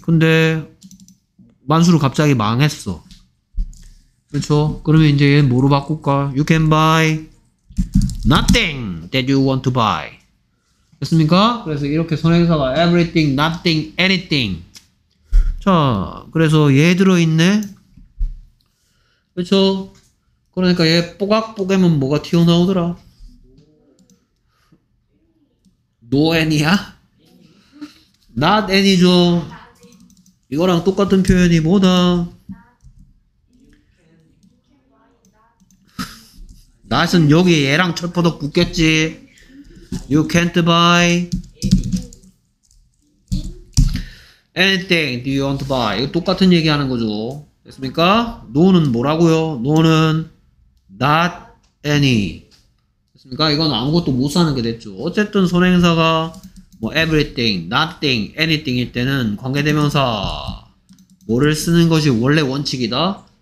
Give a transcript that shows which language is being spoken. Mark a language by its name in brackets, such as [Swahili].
[Korean] 근데 만수로 갑자기 망했어. 그렇죠? 그러면 이제 얘는 뭐로 바꿀까? [English] You can buy nothing that you want to buy. [Korean] 됐습니까? 그래서 이렇게 선행사가 everything, nothing, anything. 자, 그래서 얘 들어있네? 그렇죠? 그러니까 얘 뽀각뽀개면 뭐가 튀어나오더라? 노엔이야? [English] Not any [Korean] 죠. 이거랑 똑같은 표현이 뭐다? not은 여기 얘랑 철퍼덕 붙겠지. [English] You can't buy anything you want to buy. [Korean] 이거 똑같은 얘기하는 거죠. 됐습니까? No는 뭐라고요? No는 [English] not any. [Korean] 됐습니까? 이건 아무것도 못 사는 게 됐죠. 어쨌든 선행사가 뭐 everything, nothing, anything일 때는 관계대명사 뭐를 쓰는 것이 원래 원칙이다?